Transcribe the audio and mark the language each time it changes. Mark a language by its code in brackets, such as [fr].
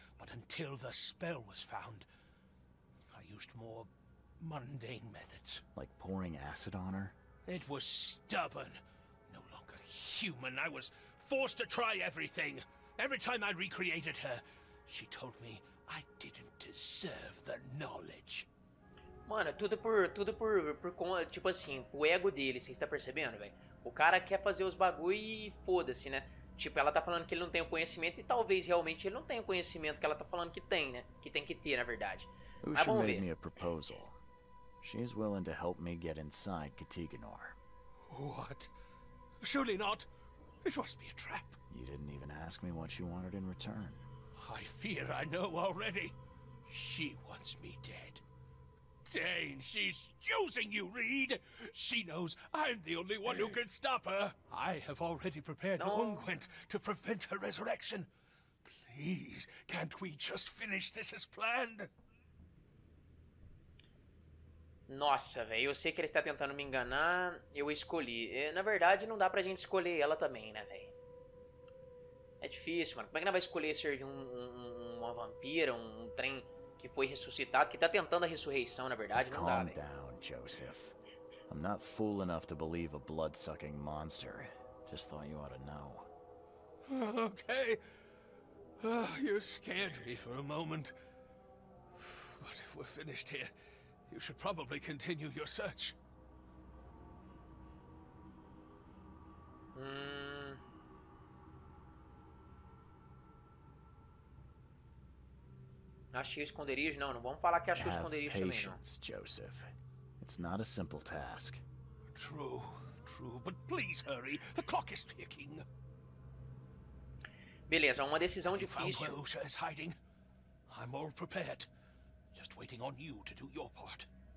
[en] But until the spell was found, I used more mundane methods. Like pouring acid on her? It was stubborn. No longer human. I was forced to try everything. Every time I recreated her, she told me I didn't deserve the knowledge. [pt] Mano, tudo por conta, tipo assim, o ego dele, você está percebendo, velho? O cara quer fazer os bagulho e foda-se, né? Tipo, ela tá falando que ele não tem o conhecimento e talvez realmente ele não tenha o conhecimento que ela tá falando que tem, né? Que tem que ter, na verdade. Mas vamos ver. [en] Me a proposal. She's willing to help me get inside Kataginor. What? Surely not. It must be a trap. You didn't even ask me what she wanted in return. I fear I know already. She wants me dead. Dane, she's using you, Reed. She knows I'm the only one who can stop her. I have already prepared the unguent to prevent her resurrection. Please, can't we just finish this as planned? [pt] Nossa, velho, eu sei que ele está tentando me enganar. Eu escolhi. Na verdade, não dá pra gente escolher ela também, né, velho? É difícil, mano. Como é que ela vai escolher servir uma vampira, um trem que foi ressuscitado, que tá tentando a ressurreição, na verdade? Não dá, velho. [en] Calm down, Joseph. I'm not fool enough to believe a blood-sucking monster. Just thought you ought to know. Okay. Oh, you scared me for a moment. But if we're finished here, you should probably continue your search. [pt] Achei o esconderijo, não. Não vamos falar que achei o esconderijo também, não. [en] Have patience, Joseph. It's not a simple task. True, true. But please hurry. The clock is ticking. [pt] Beleza, uma decisão difícil. [en] Found where Usha is hiding. I'm all prepared. Just waiting on you to do your part.